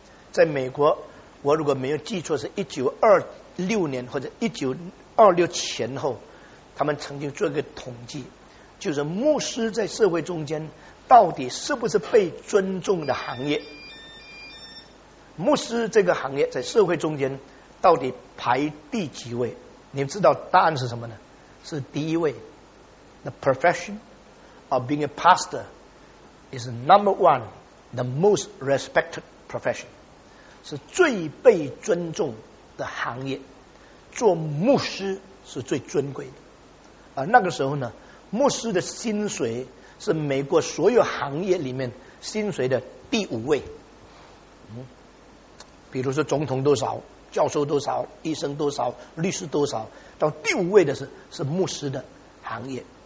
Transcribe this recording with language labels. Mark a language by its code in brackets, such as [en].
[zh] 在美国，我如果没有记错，是1926年或者1926前后，他们曾经做一个统计，就是牧师在社会中间到底是不是被尊重的行业，牧师这个行业在社会中间到底排第几位。你们知道答案是什么呢？是第一位。 [en] The profession of being a pastor is number one, the most respected profession, [zh] 是最被尊重的行业，做牧师是最尊贵的。而那个时候呢，牧师的薪水是美国所有行业里面薪水的第五位。比如说总统多少，教授多少，医生多少，律师多少，到第五位的是牧师的行业。